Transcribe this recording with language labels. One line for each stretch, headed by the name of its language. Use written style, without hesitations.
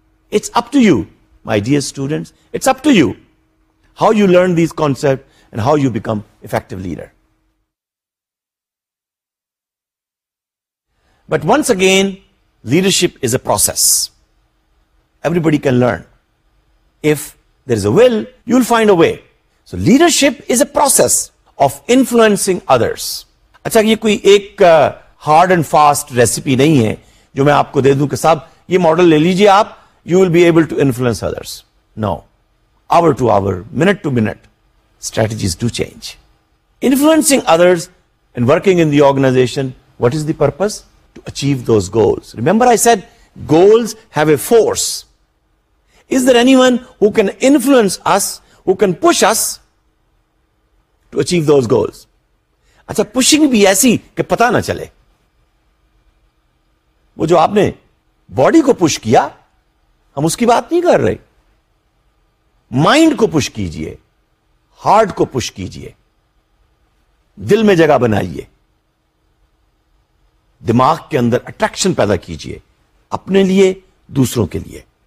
English: It's up to you, my dear students, it's up to you how you learn these concepts and how you become effective leader. But once again, leadership is a process. Everybody can learn. If there is a will, you'll find a way. So leadership is a process of influencing others.
Urdu: اچھا یہ کوئی ایک hard and fast recipe نہیں ہے جو میں آپ کو دے دوں کہ صاحب یہ ماڈل لے لیجیے آپ،
English: You will be able to influence others. Now, hour to hour, minute to minute, strategies do change. Influencing others and working in the organization, what is the purpose? To achieve those goals. Remember I said, goals have a force. Is there anyone who can influence us, who can push us to achieve those goals?
Urdu: اچھا pushing بھی ایسی کہ پتا نہ چلے. وہ جو آپ نے باڈی کو پش کیا ہم اس کی بات نہیں کر رہے, مائنڈ کو پش کیجئے, ہارٹ کو پش کیجئے, دل میں جگہ بنائیے, دماغ کے اندر اٹریکشن پیدا کیجئے اپنے لیے دوسروں کے لیے.